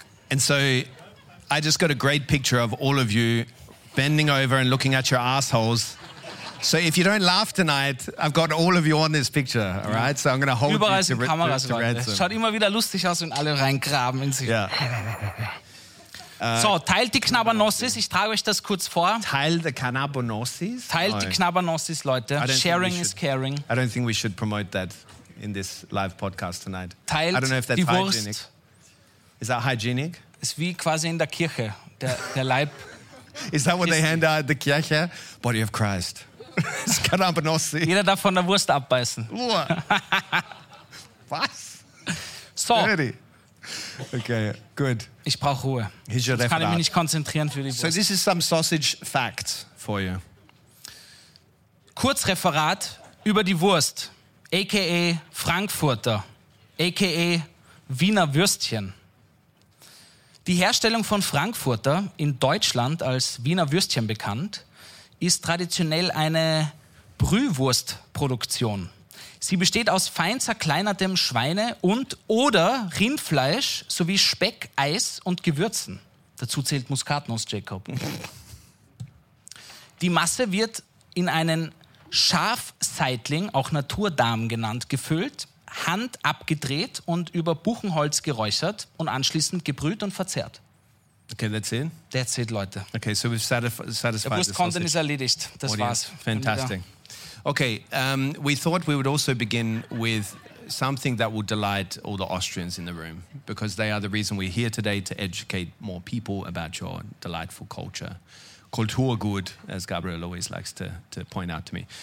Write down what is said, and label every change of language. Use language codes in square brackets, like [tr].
[en] And so I just got a great picture of all of you bending over and looking at your assholes. So if you don't laugh tonight, I've got all of you on this picture, all right? So I'm going to hold [de] Überall [en] you to [de] Überall sind Kameras, Leute. Schaut immer wieder lustig aus, wenn alle reingraben in sich. [en] Yeah. [de] So, teilt die Knabbernossis. Ich trage euch das kurz vor. [en] Teil the Knabbernossis? [de] Teilt die Knabbernossis, Leute. [en] Sharing is caring. I don't think we should promote that in this live podcast tonight. [de] Teilt [en] I don't know if that's [de] die Wurst. [en] Hygienic. Is that hygienic? [de] Ist wie quasi in der Kirche, der Leib. [en] Is that what they hand out at the Kirche? Body of Christ. Das Knabbernossi. [de] Jeder darf von der Wurst abbeißen. Was? [en] So. Ready. Okay, good. [de] Ich brauche Ruhe. [en] Here's your [de] kann ich mich nicht konzentrieren für die [en] So this is some sausage fact for you. [de] Kurzreferat über die Wurst, a.k.a. Frankfurter, a.k.a. Wiener Würstchen. Die Herstellung von Frankfurter, in Deutschland als Wiener Würstchen bekannt, ist traditionell eine Brühwurstproduktion. Sie besteht aus fein zerkleinertem Schweine- und oder Rindfleisch sowie Speck, Eis und Gewürzen. Dazu zählt Muskatnuss, Jacob. Die Masse wird in einen Schafseitling, auch Naturdarm genannt, gefüllt, Hand abgedreht und über Buchenholz geräuchert und anschließend gebrüht und verzehrt. [en] Okay, that's it? That's it, Leute. Okay, so we've satisfied [de] Der Wurst-Content ist erledigt. Das Audio. War's. [en] Fantastic. Okay, we thought we would also begin with something that will delight all the Austrians in the room, because they are the reason we're here today, to educate more people about your delightful culture. Kulturgut, as Gabriel always likes to point out to me.